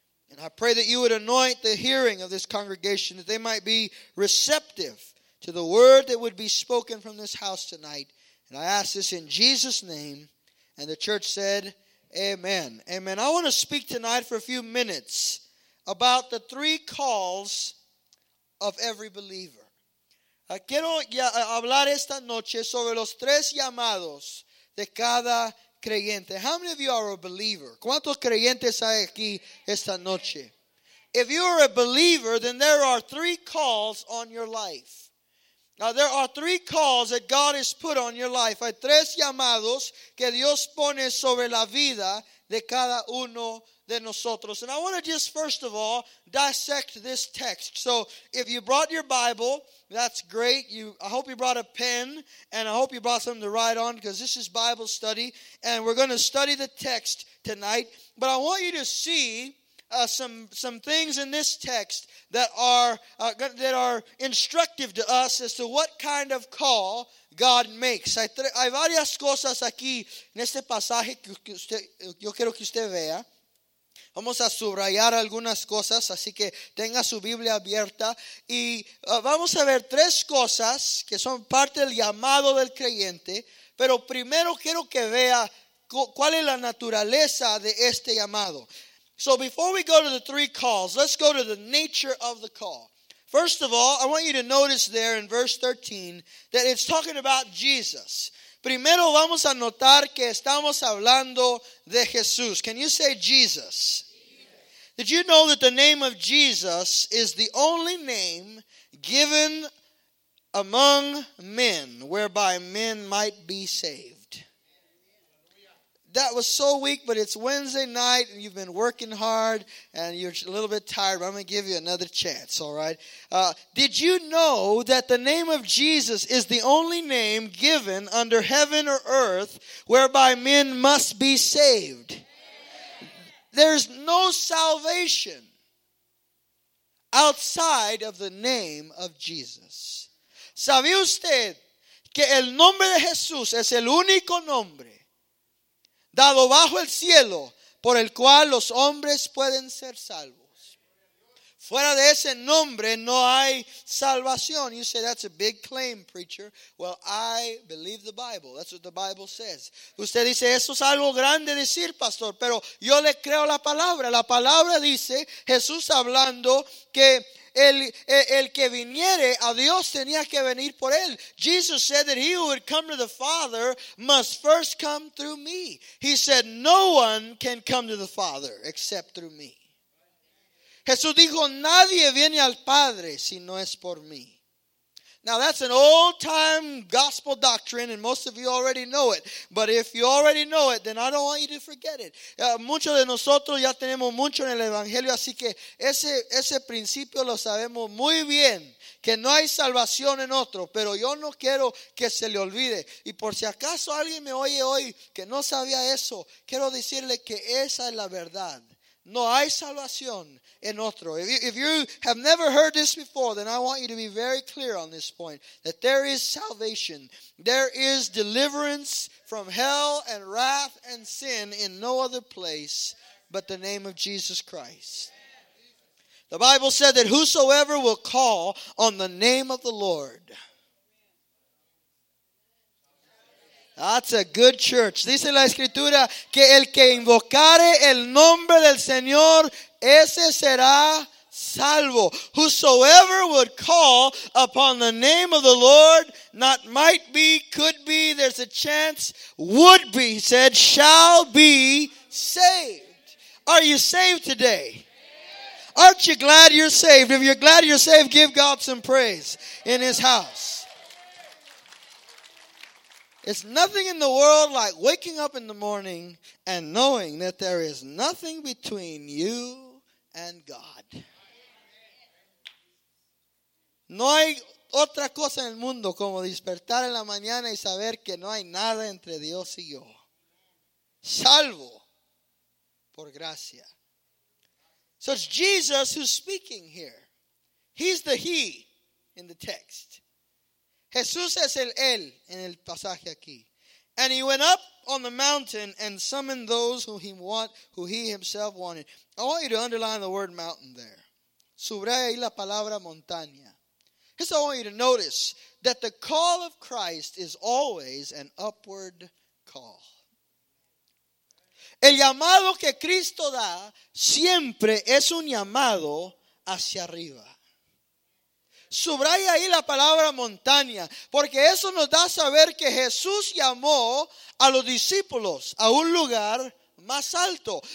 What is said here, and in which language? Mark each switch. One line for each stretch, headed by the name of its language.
English: And I pray that you would anoint the hearing of this congregation, that they might be receptive to the word that would be spoken from this house tonight. And I ask this in Jesus' name. And the church said, amen. Amen. I want to speak tonight for a few minutes about the three calls of every believer.
Spanish: Quiero hablar esta noche sobre los tres llamados de cada creyente.
English: How many of you are a believer?
Spanish: ¿Cuántos creyentes hay aquí esta noche?
English: If you are a believer, then there are three calls on your life. Now, there are three calls that God has put on your life.
Spanish: Hay tres llamados que Dios pone sobre la vida de cada uno de nosotros.
English: And I want to just, first of all, dissect this text. So, if you brought your Bible, that's great. I hope you brought a pen, and I hope you brought something to write on, because this is Bible study, and we're going to study the text tonight. But I want you to see some things in this text that are instructive to us as to what kind of call God makes.
Spanish: Hay varias cosas aquí en este pasaje que yo quiero que usted vea. Vamos a subrayar algunas cosas, así que tenga su Biblia abierta. Y vamos a ver tres cosas que son parte del llamado del creyente. Pero primero quiero que vea cuál es la naturaleza de este llamado.
English: So before we go to the three calls, let's go to the nature of the call. First of all, I want you to notice there in verse 13 that it's talking about Jesus.
Spanish: Primero vamos a notar que estamos hablando de Jesús.
English: Can you say Jesus? Did you know that the name of Jesus is the only name given among men whereby men might be saved? That was so weak, but it's Wednesday night, and you've been working hard, and you're a little bit tired, but I'm going to give you another chance, all right? Did you know that the name of Jesus is the only name given under heaven or earth whereby men must be saved? Amen. There's no salvation outside of the name of Jesus.
Spanish: ¿Sabe usted que el nombre de Jesús es el único nombre dado bajo el cielo, por el cual los hombres pueden ser salvos? Fuera de ese nombre no hay salvación.
English: You say, that's a big claim, preacher. Well, I believe the Bible. That's what the Bible says.
Spanish: Usted dice, eso es algo grande decir, pastor, pero yo le creo la palabra. La palabra dice, Jesús hablando, que el que viniere a Dios tenía que venir por él.
English: Jesus said that he who would come to the Father must first come through me. He said, no one can come to the Father except through me.
Spanish: Jesús dijo, nadie viene al Padre si no es por mí.
English: Now that's an old time gospel doctrine, and most of you already know it. But if you already know it, then I don't want you to forget it.
Spanish: Muchos de nosotros ya tenemos mucho en el Evangelio, así que ese principio lo sabemos muy bien. Que no hay salvación en otro, pero yo no quiero que se le olvide. Y por si acaso alguien me oye hoy que no sabía eso, quiero decirle que esa es la verdad. No hay salvación en otro.
English: If you have never heard this before, then I want you to be very clear on this point. That there is salvation. There is deliverance from hell and wrath and sin in no other place but the name of Jesus Christ. The Bible said that whosoever will call on the name of the Lord. That's a good church.
Spanish: Dice la escritura que el que invocare el nombre del Señor, ese será salvo.
English: Whosoever would call upon the name of the Lord, not might be, could be, there's a chance, would be, he said, shall be saved. Are you saved today? Aren't you glad you're saved? If you're glad you're saved, give God some praise in his house. It's nothing in the world like waking up in the morning and knowing that there is nothing between you and God.
Spanish: No hay otra cosa en el mundo como despertar en la mañana y saber que no hay nada entre Dios y yo. Salvo por gracia.
English: So it's Jesus who's speaking here. He's the he in the text.
Spanish: Jesús es el él en el pasaje aquí.
English: And he went up on the mountain and summoned those who he himself wanted. I want you to underline the word mountain there.
Spanish: Subraya ahí la palabra montaña.
English: Here's what I want you to notice. That the call of Christ is always an upward call.
Spanish: El llamado que Cristo da siempre es un llamado hacia arriba. Subraya ahí la palabra montaña, porque eso nos da a saber que Jesús llamó a los discípulos a un lugar más alto.